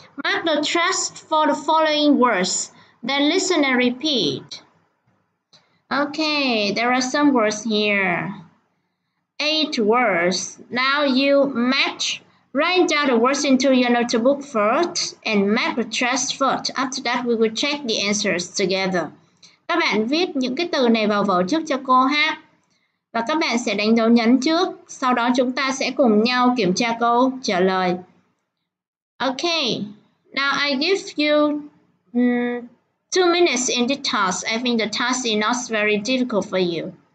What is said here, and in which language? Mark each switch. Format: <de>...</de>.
<en>Mark the stress for the following words, then listen and repeat. Okay, there are some words here. 8 words. Now you match. Write down the words into your notebook first and mark the stress first. After that, we will check the answers together.</en> <vi>Các bạn viết những cái từ này vào vở trước cho cô ha. Và các bạn sẽ đánh dấu nhấn trước. Sau đó chúng ta sẽ cùng nhau kiểm tra câu trả lời.</vi> <en>Okay. Now I give you 2 minutes in the task. I think the task is not very difficult for you.</en>